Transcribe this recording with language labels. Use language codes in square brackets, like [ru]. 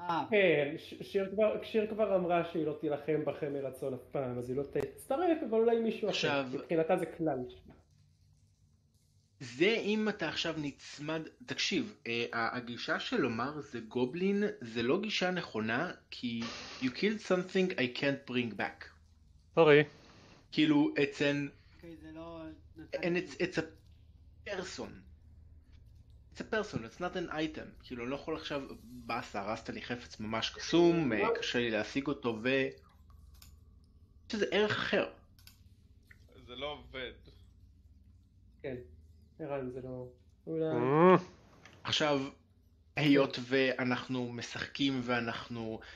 [he] כן, שיר כבר אמרה שהיא לא תילחם בכם מרצון אף פעם, אז היא לא תצטרף, אבל אולי מישהו אחר, מבחינתה זה כלל. זה אם אתה עכשיו נצמד, תקשיב, הגישה של לומר זה גובלין, זה לא גישה נכונה, כי [en] you killed something I can't bring back. [he] סורי. כאילו, [en] it's an... [he] אוקיי, זה לא... [en] it's a... person. It's a person, it's not an item. [he] כאילו, לא יכול עכשיו, בס, הרסת לי חפץ ממש קסום, קשה לי להשיג אותו ו... יש איזה ערך אחר. זה לא עובד. כן, ערן זה לא... עכשיו, היות ואנחנו משחקים ואנחנו...